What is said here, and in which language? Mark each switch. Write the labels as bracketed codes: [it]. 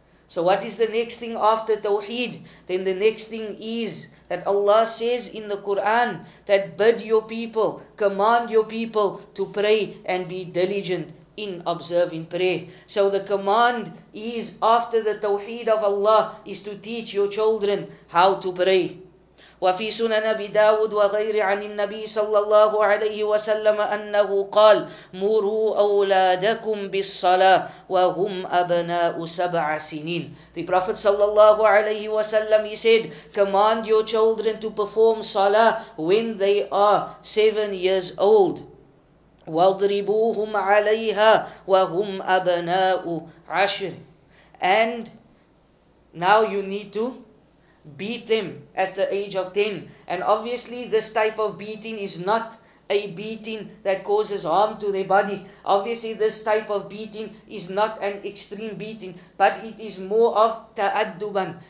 [en] So what is the next thing after Tawheed? Then the next thing is that Allah says in the Quran that bid your people, command your people to pray and be diligent in observing prayer. So the command is after the Tawheed of Allah is to teach your children how to pray. [ar] وفي سنن أبي داود وغير عن النبي صلى الله عليه وسلم أنه قال مروا أولادكم بالصلاة وهم أبناء سبع سنين. [en] The Prophet صلى الله عليه وسلم, he said, command your children to perform salah when they are 7 years old. [ar] وضربوهم عليها وهم أبناء عشر. [en] And now you need to beat them at the age of 10. And obviously this type of beating is not a beating that causes harm to their body. Obviously this type of beating is not an extreme beating, but it is more of ta'adduban.